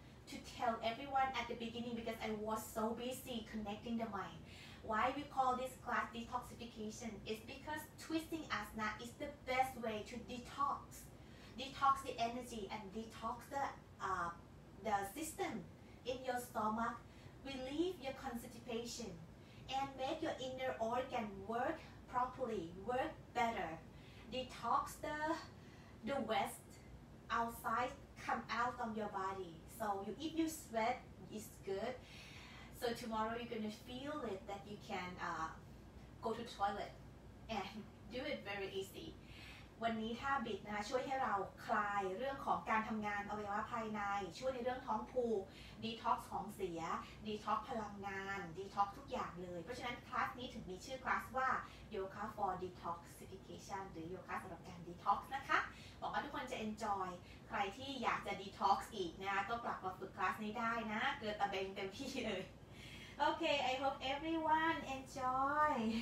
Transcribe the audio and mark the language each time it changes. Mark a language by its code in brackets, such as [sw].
[en] to tell everyone at the beginning because I was so busy connecting the mind why we call this class detoxification is because twisting asana is the best way to detox the energy and detox the system in your stomach, relieve your constipation, and make your inner organ work properly, work better. Detox the waste outside, come out from your body. So you, if you sweat, it's good. So tomorrow you're gonna feel it that you can go to toilet and do it very easy. [th] วันนี้ถ้าบิดนะช่วยให้เราคลายเรื่องของการทำงานอวัยวะภายในช่วยในเรื่องท้องผูกดีท็อกซ์ของเสีย ดีท็อกซ์พลังงานดีท็อกซ์ทุกอย่างเลยเพราะฉะนั้นคลาสนี้ถึงมีชื่อคลาสว่า Yoga for Detoxification หรือ Yoga สำหรับการดีท็อกซ์นะคะบอกว่าทุกคนจะ enjoy ใครที่อยากจะดีท็อกซ์อีกนะก็กลับมาฝึกคลาสนี้ได้นะเกลือตะเบงเต็มที่เลยโอเค [en] I hope everyone enjoy